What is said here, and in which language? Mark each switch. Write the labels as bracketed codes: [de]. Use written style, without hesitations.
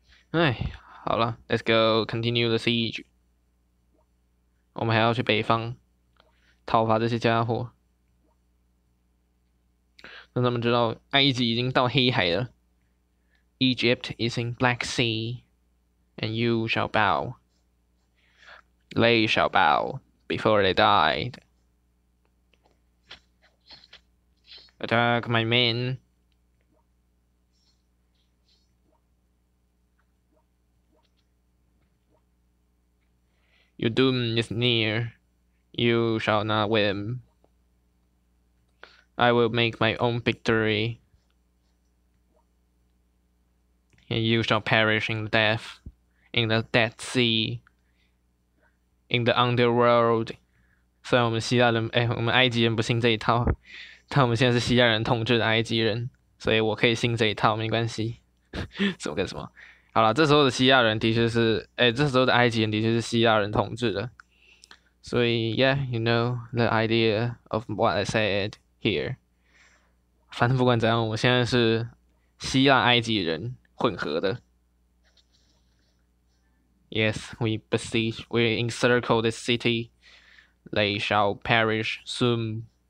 [zh] 哎，好了， [en] Let's go continue the siege。 [zh] 我们还要去北方讨伐这些家伙，让他们知道埃及已经到黑海了。 [en] Egypt is in Black Sea, and you shall bow. They shall bow before they died. Attack my men. Your doom is near. You shall not win. I will make my own victory. And you shall perish in death, in the Dead Sea, in the Underworld。 [zh] 虽然我们希腊人，哎，我们埃及人不信这一套，但我们现在是希腊人统治的埃及人，所以我可以信这一套，没关系。什么跟什么？好了，这时候的希腊人的确是，哎，这时候的埃及人的确是希腊人统治的。 [en] 所以，yeah，you know the idea of what I said here。 [zh] 反正不管怎样，我现在是希腊埃及人。混合的。 [en] Yes, we besiege, we encircle the city. They shall perish soon.